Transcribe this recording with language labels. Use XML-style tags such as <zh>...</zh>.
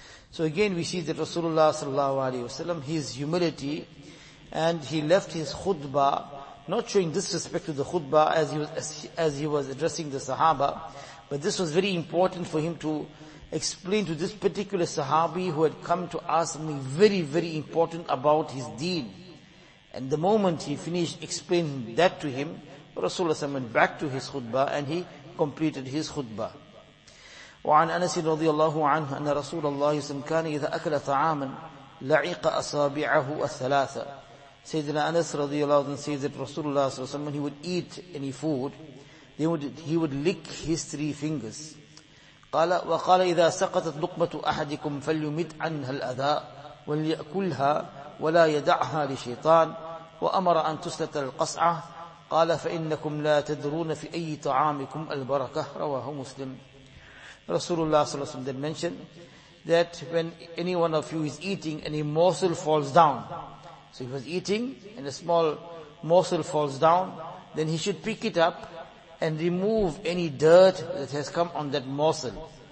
<en>So again we see that Rasulullah sallallahu alayhi wa sallam, his humility, and he left his khutbah, not showing disrespect to the khutbah as he was addressing the sahaba, but this was very important for him to explain to this particular sahabi who had come to ask me very, very important about his deen. And the moment he finished explaining that to him, Rasulullah sallallahu went back to his khutbah and he completed his khutbah.</en> <ar>وعن أنس رضي الله عنه أن رسول الله صلى الله عليه وسلم كان إذا أكل طعاما لعق أصابعه الثلاثة.</ar> <en>سيدنا أنس رضي الله عنه says that Rasulullah صلى الله عليه وسلم when he would eat any food, he would lick his three fingers.</en> <ar>قال وقال إذا سقطت لقمة أحدكم فليمد عنها الأذى وليأكلها ولا يدعها لشيطان وأمر أن تسلت القصعة قال فإنكم لا تدرون في أي طعامكم البركة رواه مسلم.</ar> <en>Rasulullah sallallahu alayhi wa sallam mentioned that when any one of you is eating and a morsel falls down, so he was eating and a small morsel falls down, then he should pick it up and remove any dirt that has come on that morsel.</en>